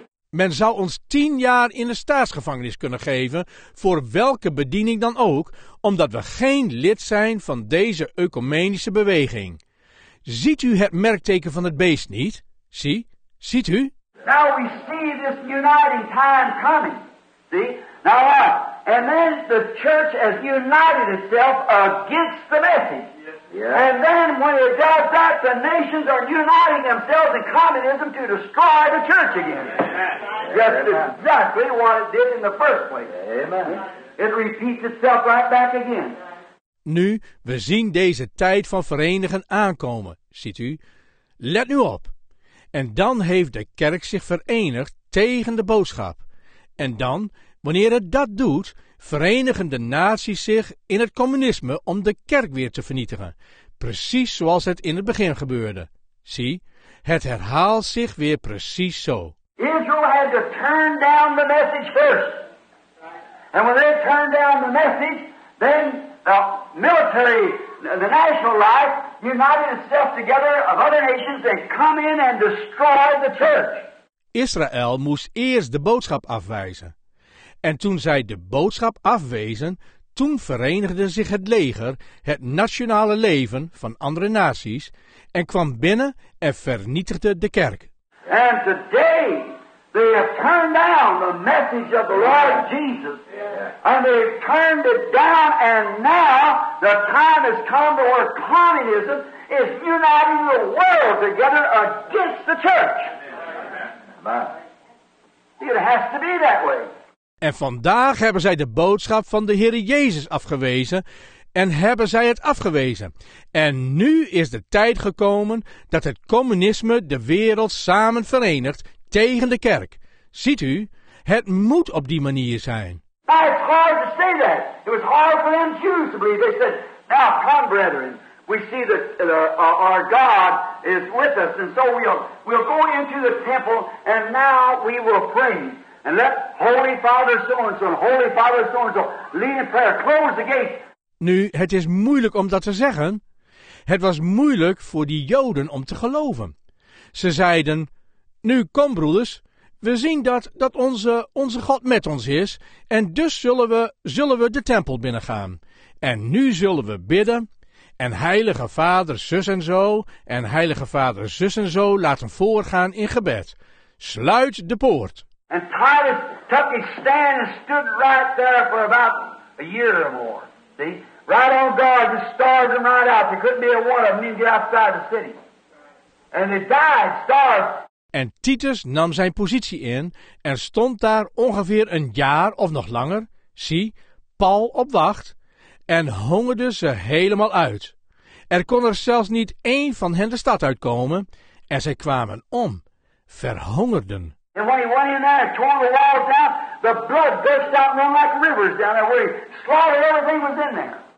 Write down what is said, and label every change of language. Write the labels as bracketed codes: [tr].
[nl] Men zou ons 10 jaar in de staatsgevangenis kunnen geven, voor welke bediening dan ook, omdat we geen lid zijn van deze ecumenische beweging. Ziet u het merkteken van het beest niet? Zie, ziet u? [en] Now we see this uniting time coming. See? Now what? And then the church has united itself against the message. Yes. And then when it does that, the nations are uniting themselves in communism to destroy the church again. Yes. Just Amen. Exactly what it did in the first place. Amen. It repeats itself right back again. [nl] Nu, we zien deze tijd van verenigen aankomen, ziet u. Let nu op. En dan heeft de kerk zich verenigd tegen de boodschap. En dan, wanneer het dat doet, verenigen de naties zich in het communisme om de kerk weer te vernietigen. Precies zoals het in het begin gebeurde. Zie, het herhaalt zich weer precies zo. [en] Israel had to turn down the message first. And when they turned down the message, then the military the national life united itself together of other nations and come in and destroy the church. [nl] Israël moest eerst de boodschap afwijzen. En toen zij de boodschap afwezen, toen verenigde zich het leger, het nationale leven van andere naties, en kwam binnen en vernietigde de kerk. [en] And today they have turned down the message of the Lord Jesus. And they have turned it down, and now the time has come to where communism is uniting the world together against the church. It has to be that way. [nl] En vandaag hebben zij de boodschap van de Heere Jezus afgewezen en hebben zij het afgewezen. En nu is de tijd gekomen dat het communisme de wereld samen verenigt tegen de kerk. Ziet u, het moet op die manier zijn. Maar het is [en] hard to say that. It was hard for them Jews to believe. They said, now come brethren, we see that our God is with us. And so we'll go into the temple and now we will pray. And let Holy Father so-and-so, Holy Father so-and-so, lead in prayer, close the gate. [nl] Nu, het is moeilijk om dat te zeggen. Het was moeilijk voor die Joden om te geloven. Ze zeiden, nu kom broeders, we zien dat onze God met ons is, en dus zullen we de tempel binnengaan. En nu zullen we bidden, en Heilige Vader zus en zo, en Heilige Vader zus en zo, laten voorgaan in gebed. Sluit de poort. [en] En Titus took his stand and stood right there for about a year or more. See? Right on guard, just starved them right out. There couldn't be a one of them even get outside the city. And they died, starved. [nl] En Titus nam zijn positie in en stond daar ongeveer een jaar of nog langer, zie, pal op wacht, en hongerde ze helemaal uit. Er kon er zelfs niet één van hen de stad uitkomen, en zij kwamen om, verhongerden. [en] And when he went in there and tore the walls down, the blood burst out and ran like rivers down there where he slaughtered everything was in there.